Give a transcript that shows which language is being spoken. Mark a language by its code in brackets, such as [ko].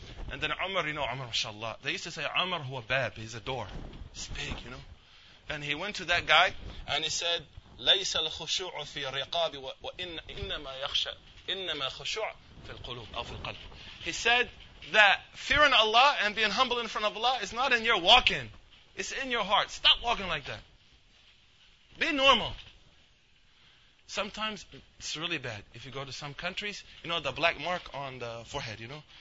[en] And then Umar, you know, Umar, mashallah. They used to say, Umar [ar] huwa bab, [en] he's a door. He's big, you know. And he went to that guy, and he said, [ar] لَيْسَ الْخُشُوعُ فِي الرِّقَابِ وَإِنَّمَا يَخْشَى إِنَّمَا خُشُوعُ فِي الْقُلُوبِ أَوْ فِي الْقَلْبِ. [en] He said that fearing Allah and being humble in front of Allah is not in your walking. It's in your heart. Stop walking like that. Be normal. Sometimes it's really bad. If you go to some countries, you know the black mark on the forehead, you know?